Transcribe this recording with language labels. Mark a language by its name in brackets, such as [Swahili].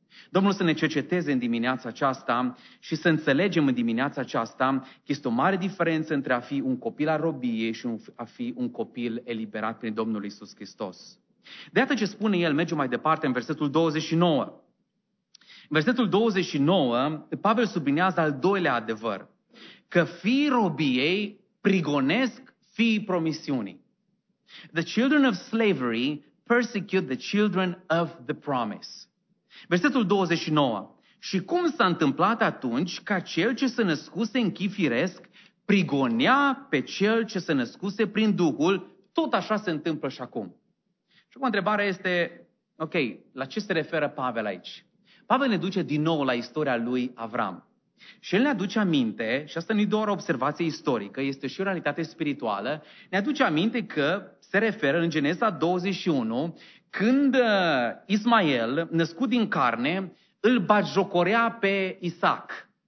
[Romanian] Domnul să ne cerceteze în dimineața aceasta și să înțelegem în dimineața aceasta că este o mare diferență între a fi un copil al robiei și a fi un copil eliberat prin Domnul Iisus Hristos. De atât ce spune el, mergem mai departe în versetul 29. În versetul 29, Pavel sublinează al doilea adevăr, că fiii robiei prigonesc fiii promisiunii. [English] The children of slavery persecute the children of the promise. [Romanian] Versetul 29. Și cum s-a întâmplat atunci ca cel ce se născuse în chip firesc prigonea pe cel ce se născuse prin Duhul, tot așa se întâmplă și acum. Și acum întrebarea este, ok, la ce se referă Pavel aici? Pavel ne duce din nou la istoria lui Avram. Și el ne aduce aminte, și asta nu e doar o observație istorică, este și o realitate spirituală, ne aduce aminte că se referă în Geneza 21, când Ismael, născut din carne, îl batjocorea pe Isaac.